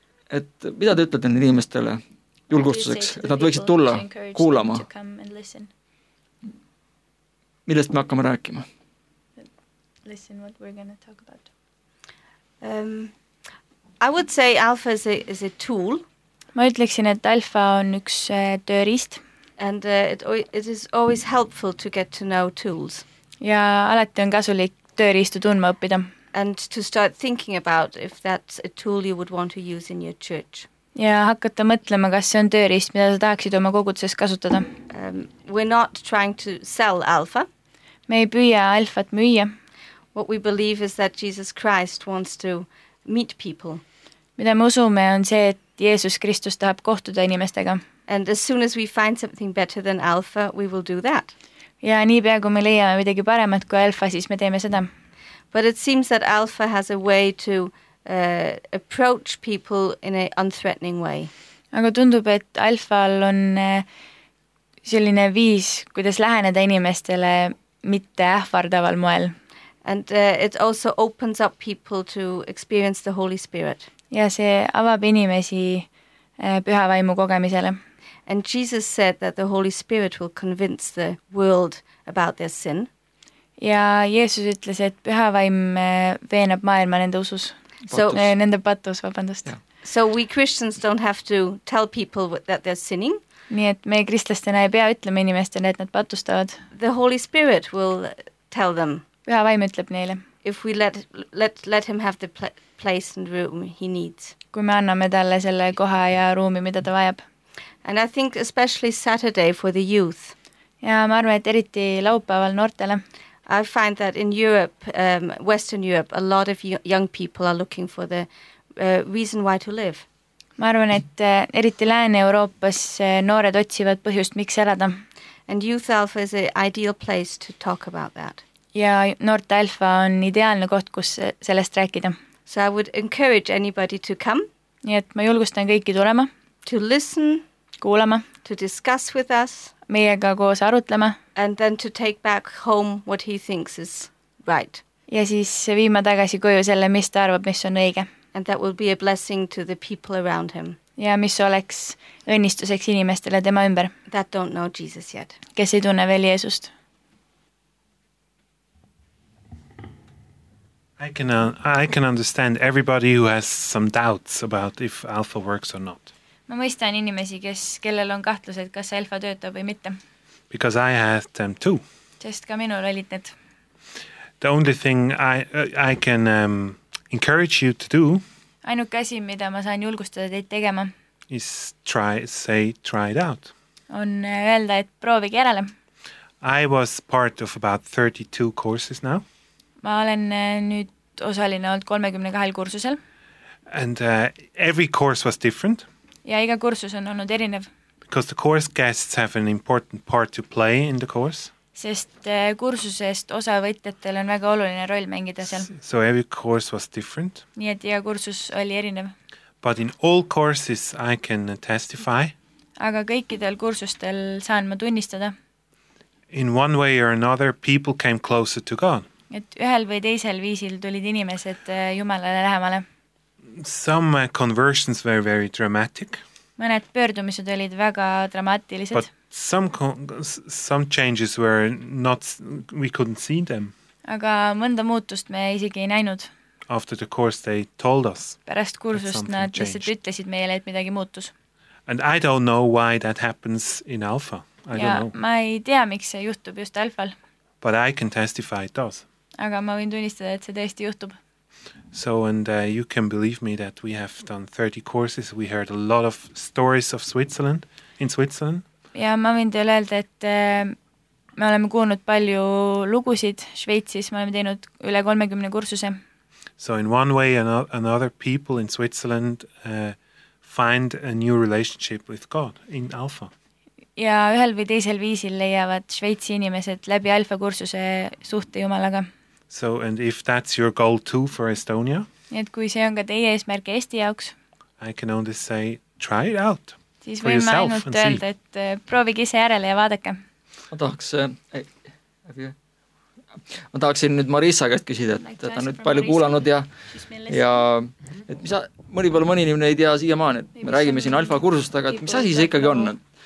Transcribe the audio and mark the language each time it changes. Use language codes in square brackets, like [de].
[et] Et mida te ütlete nende inimestele julgustuseks, et nad võiksid tulla kuulama? Millest me hakkame rääkima? [en] Listen what we're gonna talk about. I would say alpha is a tool. [et] Ma ütleksin, et alfa on üks tööriist. [en] And it is always helpful to get to know tools. [et] Ja alati on kasulik tööriistu tunma õppida. [en] And to start thinking about if that's a tool you would want to use in your church. [et] Ja hakata mõtlema, kas see on tööriist, mida sa tahaksid oma koguduses kasutada. [en] We're not trying to sell alpha. [et] Me ei püüa alfat müüa. [en] What we believe is that Jesus Christ wants to meet people. [et] Mida me usume on see, et Jeesus Kristus tahab kohtuda inimestega. [en] And as soon as we find something better than alpha, we will do that. [et] Ja nii pea, kui me leiame midagi paremat kui alfa, siis me teeme seda. [en] But it seems that alpha has a way to approach people in a unthreatening way. [et] Aga tundub, et alfal on selline viis, kuidas läheneda inimestele mitte ähvardaval moel. [en] And it also opens up people to experience the Holy Spirit. [et] Ja see avab inimesi püha vaimu kogemisele. [en] And Jesus said that the Holy Spirit will convince the world about their sin. [et] Ja Jeesus ütles, et püha vaim veenab maailma nende usus. Nende patus, vabandust. Yeah. [en] So we Christians don't have to tell people that they're sinning. [et] Nii et me kristlastena ei pea ütlema inimestele, et nad patustavad. [en] The Holy Spirit will tell them. [et] Püha vaim ütleb neile. [en] If we let him have the place and room he needs. [et] Kui me anname talle selle koha ja ruumi, mida ta vajab. [en] And I think especially Saturday for the youth. [et] Ja ma arvan, et eriti laupäeval noortele. [en] I find that in Europe, Western Europe, a lot of young people are looking for the reason why to live. [et] Ma arvan, et eriti Lääne-Euroopas noored otsivad põhjust, miks elada. [en] And Youth Alpha is an ideal place to talk about that. [et] Ja Noorte Alfa on ideaalne koht, kus sellest rääkida. [en] So I would encourage anybody to come. [et] Nii et ma julgustan kõiki tulema. [en] To listen. [et] Kuulema. [en] To discuss with us. [et] Meiega koos arutlema. [en] And then to take back home what he thinks is right. [et] Ja siis viima tagasi koju selle, mis ta arvab, mis on õige. [en] And that will be a blessing to the people around him. [et] Ja mis oleks õnnistuseks inimestele tema ümber. [en] That don't know Jesus yet. [et] Kes ei tunne veel Jeesust. [en] I can understand everybody who has some doubts about if Alpha works or not. [et] Ma mõistan inimesi, kellel on kahtlused, kas Alpha töötab või mitte. [en] Because I had them too. [et] Sest ka minul olid need. [en] The only thing I can encourage you to do. [et] Ainuke asi, mida ma saan julgustada teid tegema. [en] Is try it out. [et] On öelda, et proovige järele. [en] I was part of about 32 courses now. [et] Ma olen nüüd osaline olnud 32 kursusel. [en] And every course was different. [et] Ja iga kursus on olnud erinev. [en] Because the course guests have an important part to play in the course. [et] Sest kursusest osavõtjatel on väga oluline roll mängida seal. [en] So every course was different. [et] Nii et iga kursus oli erinev. [en] But in all courses I can testify. [et] Aga kõikidel kursustel saan ma tunnistada. [en] In one way or another people came closer to God. [et] Et ühel või teisel viisil tulid inimesed Jumalale lähemale. [en] Some conversions were very dramatic. [et] Mõned pöördumised olid väga dramaatilised. [en] But some changes were not, we couldn't see them. [et] Aga mõnda muutust me isegi ei näinud. [en] After the course they told us. [et] Pärast kursust nad lihtsalt ütlesid meile, et midagi muutus. [en] And I don't know why that happens in Alpha. [et] Ma ei tea, miks see juhtub just Alphal. [en] But I can testify it does. [et] Aga ma võin tunnistada, et see tõesti juhtub. [en] So, and you can believe me that we have done 30 courses. We heard a lot of stories of Switzerland, in Switzerland. [et] Ja ma võin teile öelda, et me oleme kuulnud palju lugusid Šveitsis. Me oleme teinud üle 30 kursuse. [en] So, in one way another people in Switzerland find a new relationship with God in Alpha. [et] Ja ühel või teisel viisil leiavad Šveitsi inimesed läbi Alpha kursuse suhte Jumalaga. [en] So and if that's your goal too for Estonia? [et] Et kui see on ka teie eesmärk Eesti jaoks. [en] I can only say try it out. [et] Siis võin ma ainult öelda, et proovige ise järele ja vaadake. Ma tahaksin nüüd Marisa käest küsida, et ta on nüüd palju kuulanud ja et mis mõni inimene ei tea siia maan, et me räägime siin Alpha kursust, aga et mis asi see ikkagi on?